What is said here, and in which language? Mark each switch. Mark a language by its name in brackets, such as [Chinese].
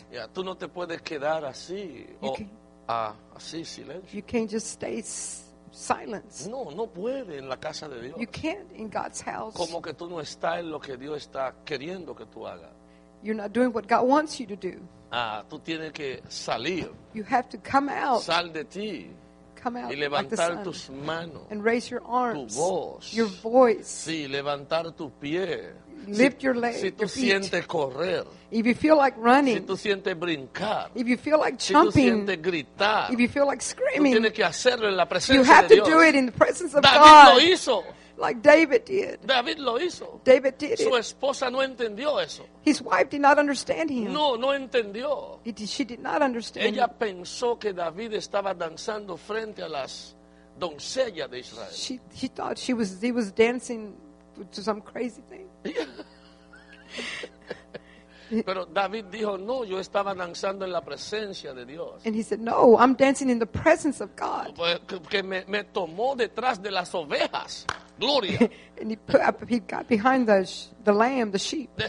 [Spanish] Yeah, tú no te puedes quedar así así silencio. [English] You can't just stay silence. [Spanish] No, no puede en la casa de Dios. [English] You can't in God's house. [Spanish] Como que tú no estás en lo que Dios está queriendo que tú hagas. [English] You're not doing what God wants you to do. [Spanish] Tú tienes que salir. [English] You have to come out. [Spanish] Sal de ti. [English] Come out [Spanish] y levantar [English] like the sun. [Spanish] Tus manos. [English] And raise your arms. [Spanish] Tu voz. [English] Your voice. [Spanish] Sí, levantar tu pie. [English] Lift your legs. [Spanish] Si tú sientes correr. [English] If you feel like running. [Spanish] Si tú sientes brincar. [English] If you feel like jumping. [Spanish] Si tú sientes gritar. [English] If you feel like screaming. [Spanish] Tú tienes que hacerlo en la presencia de Dios. [English] You have to do it in the presence of David God. [Spanish] David lo hizo. [English] Like David did. [Spanish] David lo hizo. [English] David did it. [Spanish] Su esposa no entendió eso. [English] His wife did not understand him. [Spanish] No, no entendió. [English] She did not understand. [Spanish] Ella pensó que David estaba danzando frente a las doncellas de Israel. [English] She thought he was dancing to some crazy thing. [Spanish] Pero David dijo, no, yo estaba danzando en la presencia de Dios. [English] And he said, no, I'm dancing in the presence of God. [Spanish] Que me tomó detrás de las ovejas. Gloria. [English] And he got behind the lamb, the sheep.